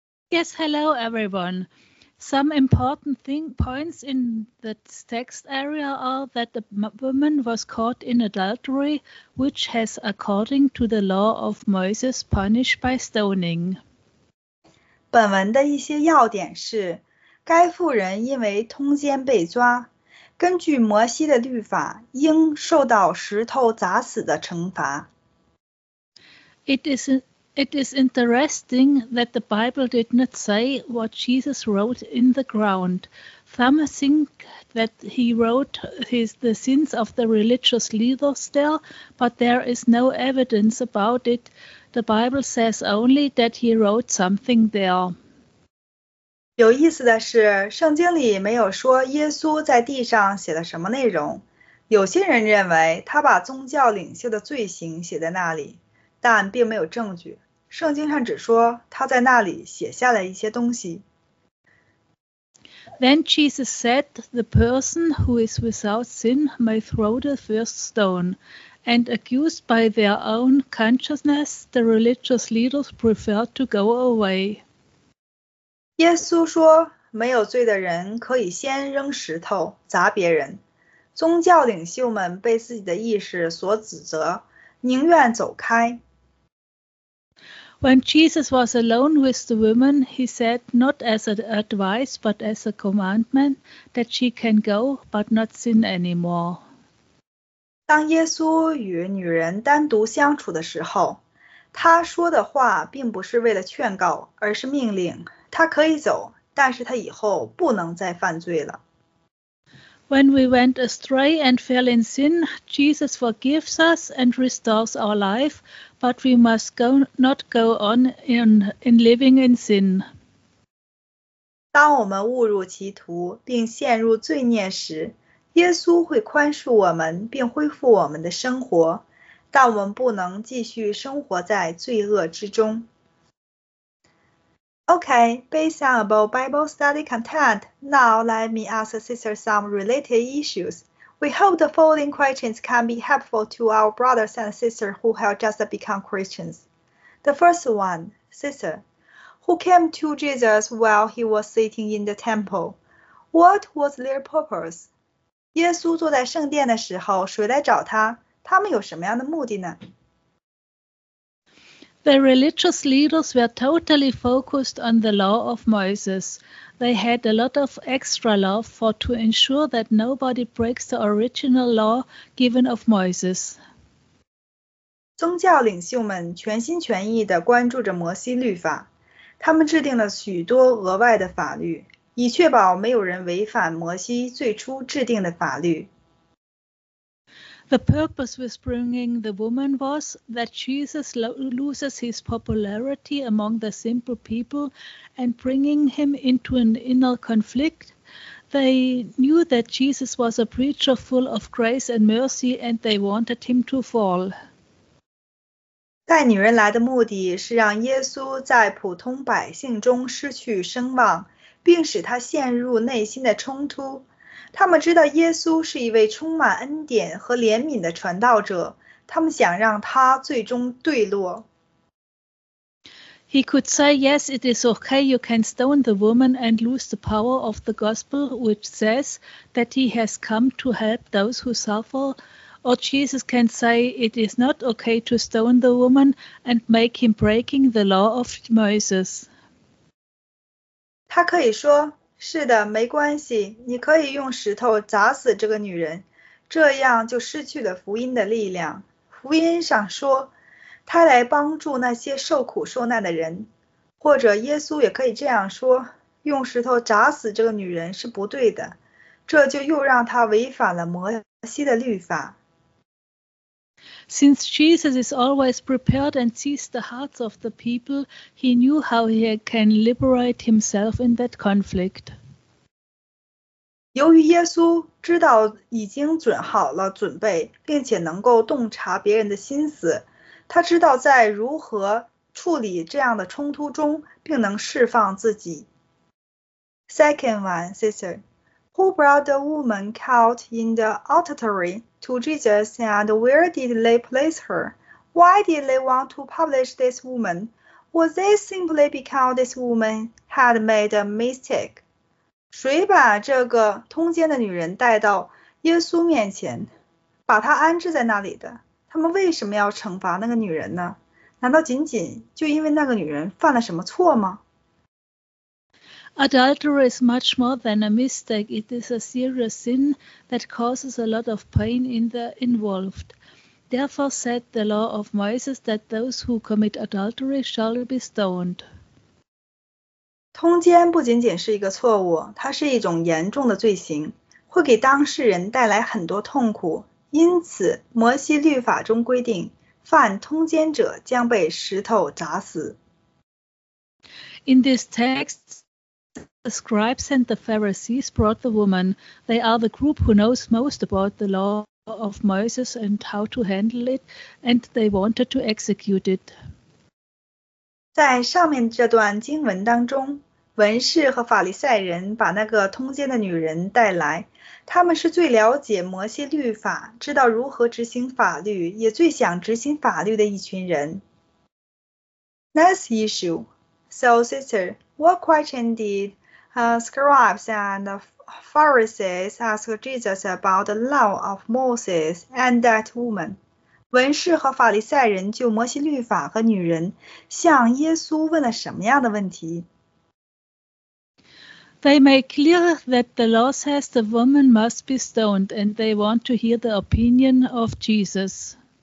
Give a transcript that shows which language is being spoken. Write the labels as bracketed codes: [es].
[en] Yes, hello everyone. Some important points in the text area are that the woman was caught in adultery, which has, according to the law of Moses, punished by stoning. [zh] 本文的一些要点是，该妇人因为通奸被抓，根据摩西的律法，应受到石头砸死的惩罚。 [en] It is interesting that the Bible did not say what Jesus wrote in the ground. Some think that he wrote the sins of the religious leaders still, but there is no evidence about it. The Bible says only that he wrote something there. [zh] 有意思的是，圣经里没有说耶稣在地上写了什么内容。有些人认为他把宗教领袖的罪行写在那里，但并没有证据。圣经上只说他在那里写下了一些东西。 [en] Then Jesus said, "The person who is without sin may throw the first stone." And accused by their own consciousness, the religious leaders preferred to go away. [zh] 耶稣说，没有罪的人可以先扔石头砸别人。宗教领袖们被自己的意识所指责，宁愿走开。 [en] When Jesus was alone with the woman, he said, not as an advice, but as a commandment, that she can go, but not sin anymore. [zh] 当耶稣与女人单独相处的时候，他说的话并不是为了劝告，而是命令，她可以走，但是她以后不能再犯罪了。 [en] When we went astray and fell in sin, Jesus forgives us and restores our life, but we must not go on in living in sin. [zh] 当我们误入歧途并陷入罪孽时，耶稣会宽恕我们并恢复我们的生活，但我们不能继续生活在罪恶之中。 [en] Okay, based on about Bible study content, now let me ask sister some related issues. We hope the following questions can be helpful to our brothers and sisters who have just become Christians. The first one, sister, who came to Jesus while he was sitting in the temple? What was their purpose? [zh] 耶稣坐在圣殿的时候，谁来找他？他们有什么样的目的呢？ [en] The religious leaders were totally focused on the law of Moses. They had a lot of extra law for to ensure that nobody breaks the original law given of Moses. [zh] 宗教领袖们全心全意地关注着摩西律法，他们制定了许多额外的法律，以确保没有人违反摩西最初制定的法律。 [en] The purpose with bringing the woman was that Jesus loses his popularity among the simple people and bringing him into an inner conflict. They knew that Jesus was a preacher full of grace and mercy and they wanted him to fall. [zh] 带女人来的目的是让耶稣在普通百姓中失去声望，并使他陷入内心的冲突。他们知道耶稣是一位充满恩典和怜悯的传道者，他们想让他最终坠落。 [en] He could say, "Yes, it is okay. You can stone the woman and lose the power of the gospel, which says that he has come to help those who suffer." Or Jesus can say, "It is not okay to stone the woman and make him breaking the law of Moses." [zh] 他可以说，是的，没关系，你可以用石头砸死这个女人，这样就失去了福音的力量。福音上说，他来帮助那些受苦受难的人。或者耶稣也可以这样说，用石头砸死这个女人是不对的，这就又让他违反了摩西的律法。 [en] Since Jesus is always prepared and sees the hearts of the people, he knew how he can liberate himself in that conflict. [zh] 由于耶稣知道已经准好了准备，并且能够洞察别人的心思，他知道在如何处理这样的冲突中，并能释放自己。 [en] Second one, sister, who brought the woman caught in the adultery? To Jesus, and where did they place her? Why did they want to publish this woman? Was this simply because this woman had made a mistake? [zh] 谁把这个通奸的女人带到耶稣面前，把她安置在那里的？他们为什么要惩罚那个女人呢？难道仅仅就因为那个女人犯了什么错吗？ [en] Adultery is much more than a mistake. It is a serious sin that causes a lot of pain in the involved. Therefore said the law of Moses that those who commit adultery shall be stoned. [zh] 通奸不仅仅是一个错误，它是一种严重的罪行，会给当事人带来很多痛苦。因此，摩西律法中规定，犯通奸者将被石头砸死。 [en] In this text,The scribes and the Pharisees brought the woman. They are the group who knows most about the law of Moses and how to handle it, and they wanted to execute it. [zh] 在上面这段经文当中，文士和法利赛人把那个通奸的女人带来，他们是最了解摩西律法，知道如何执行法律，也最想执行法律的一群人。 [en] Next issue. So, sister, what question did scribes and Pharisees ask Jesus about the law of Moses and that woman. [zh] 文士和法利赛人就摩西律法和女人向耶稣问了什么样的问题？ [en] They make clear that the law says the woman must be stoned and they want to hear the opinion of Jesus.